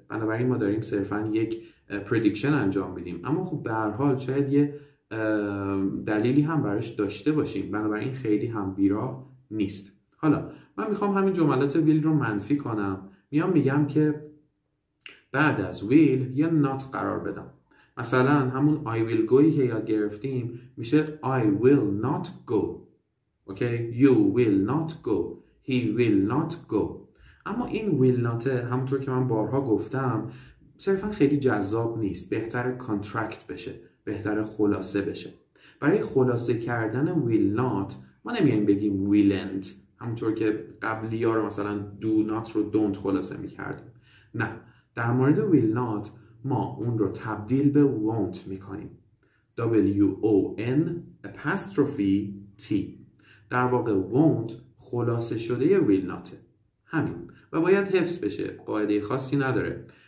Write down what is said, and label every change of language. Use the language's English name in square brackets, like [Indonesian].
[Persian] بنابراین ما داریم صرفاً یک پردیکشن انجام میدیم، اما خب به هر حال شاید یه دلیلی هم براش داشته باشیم، بنابراین خیلی هم بیراه نیست. حالا من میخوام همین جملات ویل رو منفی کنم، میام میگم که بعد از ویل یه نات قرار بدم، مثلا همون [English] I will go [Persian] که یاد گرفتیم میشه [English] I will not go، [Persian] okay? [English] You will not go، He will not go. [Persian] اما این will not همونطور که من بارها گفتم صرفا خیلی جذاب نیست، بهتره contract بشه، بهتره خلاصه بشه. برای خلاصه کردن will not ما نمیایم بگیم willn't، همونطور که قبلی ها رو مثلا do not رو don't خلاصه میکردیم، نه، در مورد will not ما اون رو تبدیل به won't میکنیم، w-o-n apostrophe t، در واقع won't خلاصه شده یه will not، همین، و باید حفظ بشه، قاعده خاصی نداره.